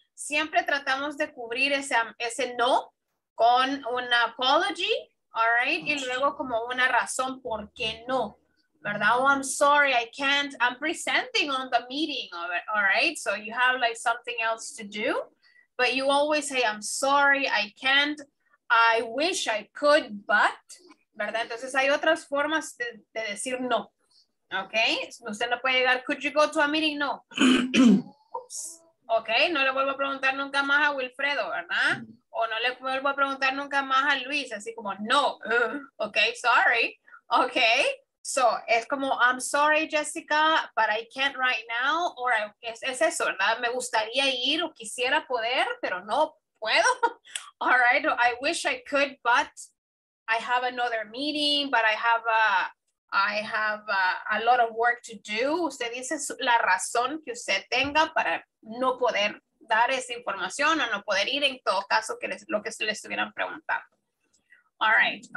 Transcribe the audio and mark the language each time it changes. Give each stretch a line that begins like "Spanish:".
Spanish: Siempre tratamos de cubrir ese no con una apology, all right? Y luego como una razón por qué no, ¿verdad?
English: Oh, I'm sorry, I can't. I'm presenting on the meeting, all right? So you have like something else to do, but you always say, I'm sorry, I can't. I wish I could, but, ¿verdad?
Spanish: Entonces hay otras formas de decir no, okay? Usted no puede llegar,
English: could you go to a meeting? No. Oops.
Spanish: Ok, no le vuelvo a preguntar nunca más a Wilfredo, ¿verdad? O no le vuelvo a preguntar nunca más a Luis, así como no.
English: Ok, sorry. Ok, so
Spanish: es como
English: I'm sorry, Jessica, but I can't right now.
Spanish: Or es eso, ¿verdad? Me gustaría ir o quisiera poder, pero no puedo.
English: All right, I wish I could, but I have another meeting, but I have a lot of work to do.
Spanish: Usted dice la razón que usted tenga para no poder dar esa información o no poder ir en todo caso que les, lo que se le estuvieran preguntando. All right.